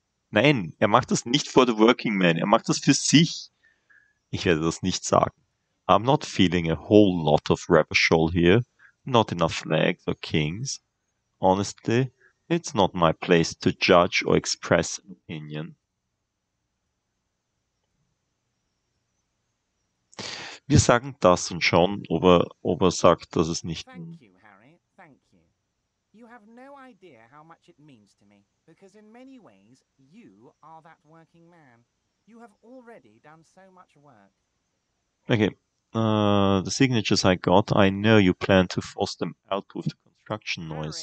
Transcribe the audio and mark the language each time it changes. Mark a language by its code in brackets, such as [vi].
[de] Nein, macht das nicht [en] for the working man. [de] Macht das für sich. Ich werde das nicht sagen. [en] I'm not feeling a whole lot of rabbershawl here. Not enough flags or kings. Honestly, it's not my place to judge or express an opinion. [de] Wir sagen das und schauen, ob er sagt, dass es nicht... [en] Thank you, Harry. Thank you. You have no idea how much it means to me, because in many ways, you are that working man. You have already done so much work. Okay. The signatures I got, I know you plan to force them out with the construction noise.